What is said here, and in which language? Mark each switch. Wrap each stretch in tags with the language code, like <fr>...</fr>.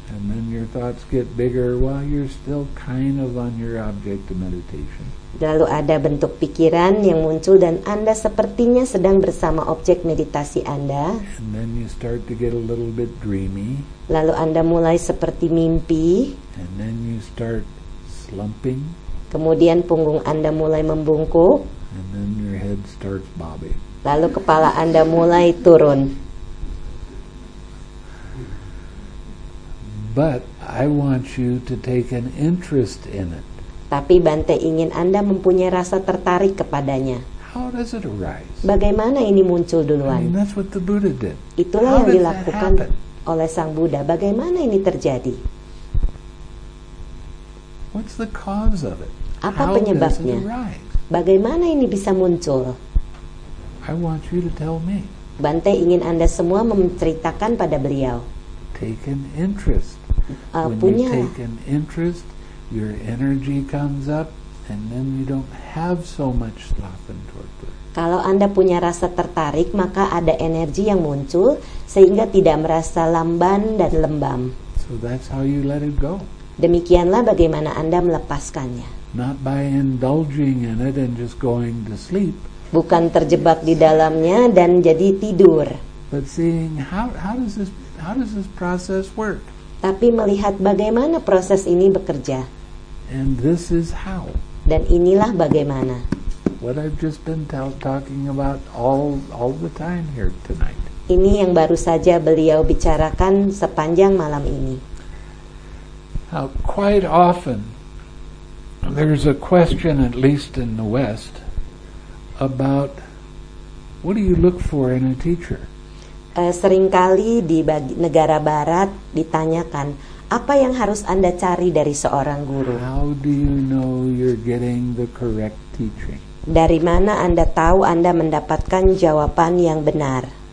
<en>And then your thoughts get bigger while you're still kind of on your object of meditation.</en> <id>Lalu ada bentuk pikiran yang muncul dan Anda sepertinya sedang bersama objek meditasi Anda.</id> <en>And then you start to get a little bit dreamy.</en> <id>Lalu Anda mulai seperti mimpi.</id> <en>And then you start slumping.</en> <id>Kemudian punggung Anda mulai membungkuk.</id> <en>And then your head starts bobbing.</en> <id>Lalu kepala Anda mulai turun.</id> <en>But I want you to take an interest in it.</en> <id>Tapi Bante ingin Anda mempunyai rasa tertarik kepadanya.</id> <en>How does it arise?</en> <id>Bagaimana ini muncul duluan?</id> <en>I mean, that's what the Buddha did.</en> <id>Itulah yang dilakukan oleh Sang Buddha. Bagaimana ini terjadi?</id> <en>What's the cause of it?</en> <id>Apa penyebabnya? Bagaimana ini bisa muncul?</id> <en>I want you to tell me.</en> <id>Bante ingin Anda semua menceritakan pada beliau.</id> <en>Take an interest. You take an interest, your energy comes up, and then you don't have so much sloth and torpor.</en> <id>Kalau Anda punya rasa tertarik, maka ada energi yang muncul, sehingga tidak merasa lamban dan lembam.</id> <en>So that's how you let it go.</en> <id>Demikianlah bagaimana Anda melepaskannya.</id> <en>Not by indulging in it and just going to sleep.</en> <id>Bukan terjebak di dalamnya dan jadi tidur.</id> <en>But seeing how does this process work?</en> <id>Tapi melihat bagaimana proses ini bekerja.</id> <en>And this is how.</en> <id>Dan inilah bagaimana.</id> <en>What I've just been talking about all the time here tonight.</en> <id>Ini yang baru saja beliau bicarakan sepanjang malam ini.</id> <en>Now, quite often there's a question, at least in the West, about what do you look for in a teacher?</en> <id>Seringkali di negara barat ditanyakan apa yang harus Anda cari dari seorang guru.</id> <en>How do you know you're getting the correct teaching?</en> <id>Dari mana Anda tahu Anda mendapatkan jawaban yang benar?</id>